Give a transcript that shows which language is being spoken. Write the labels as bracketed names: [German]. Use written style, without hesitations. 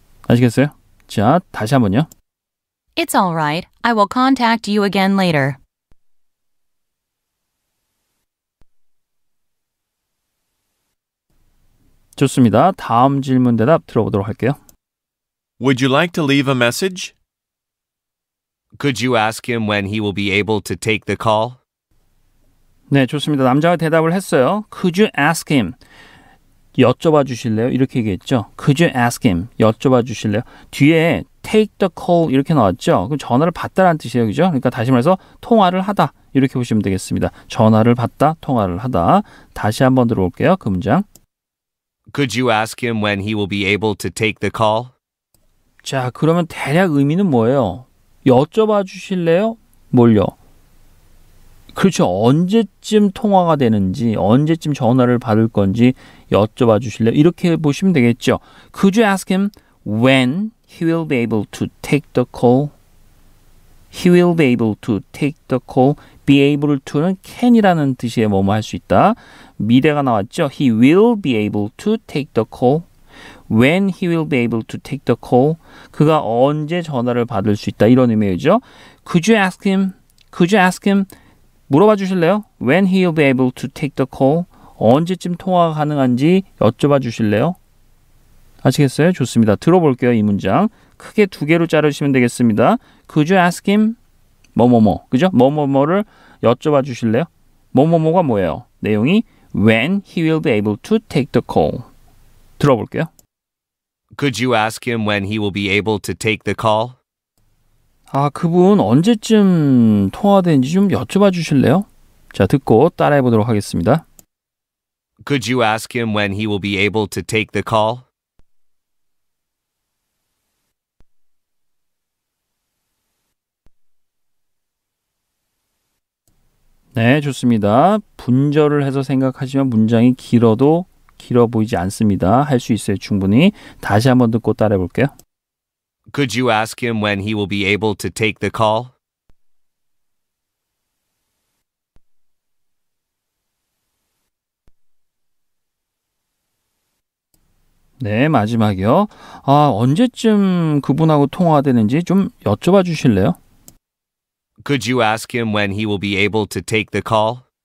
[Korean] 아시겠어요? 자, 다시 한번요. [English] It's all right. I will contact you again later. [Korean] 좋습니다. 다음 질문 대답 들어보도록 할게요. [English] Would you like to leave a message? Could you ask him when he will be able to take the call? [Korean] 네, 좋습니다. 남자가 대답을 했어요. [English] Could you ask him? [Korean] 여쭤봐 주실래요? 이렇게 얘기했죠. Could you ask him? 여쭤봐 주실래요? 뒤에 [English] take the call [Korean] 이렇게 나왔죠. 그럼 전화를 받다라는 뜻이에요. 그죠? 그러니까 다시 말해서 통화를 하다 이렇게 보시면 되겠습니다. 전화를 받다, 통화를 하다. 다시 한번 들어볼게요. 그 문장. [English] Could you ask him when he will be able to take the call? [Korean] 자, 그러면 대략 의미는 뭐예요? 여쭤봐 주실래요? 뭘요? 그렇죠. 언제쯤 통화가 되는지, 언제쯤 전화를 받을 건지 여쭤봐 주실래요? 이렇게 보시면 되겠죠. [English] Could you ask him when he will be able to take the call? He will be able to take the call. Be able to [Korean] 는 can이라는 뜻이에요. 뭐뭐 할 수 있다. 미래가 나왔죠. [English] He will be able to take the call. When he will be able to take the call. [Korean] 그가 언제 전화를 받을 수 있다. 이런 의미죠. [English] Could you ask him? Could you ask him? [Korean] 물어봐 주실래요? [English] When he will be able to take the call. [Korean] 언제쯤 통화가 가능한지 여쭤봐 주실래요? 아시겠어요? 좋습니다. 들어볼게요. 이 문장. 크게 두 개로 자르시면 되겠습니다. [English] Could you ask him? [Korean] 뭐뭐뭐. 그죠? 뭐뭐뭐를 여쭤봐 주실래요? 뭐뭐뭐가 뭐예요? 내용이 [English] When he will be able to take the call. [Korean] 들어볼게요. [English] Could you ask him when he will be able to take the call? [Korean] 아, 그분 언제쯤 통화되는지 좀 여쭤봐 주실래요? 자, 듣고 따라해 보도록 하겠습니다. [English] Could you ask him when he will be able to take the call? [Korean] 네, 좋습니다. 분절을 해서 생각하시면 문장이 길어도 길어 보이지 않습니다. 할 수 있어요, 충분히. 다시 한번 듣고 따라해 볼게요. [English] Could you ask him when he will be able to take the call? [Korean] 네, 마지막이요. 아, 언제쯤 그분하고 통화되는지 좀 여쭤봐 주실래요? [English] Could you ask him when he will be able to take the call?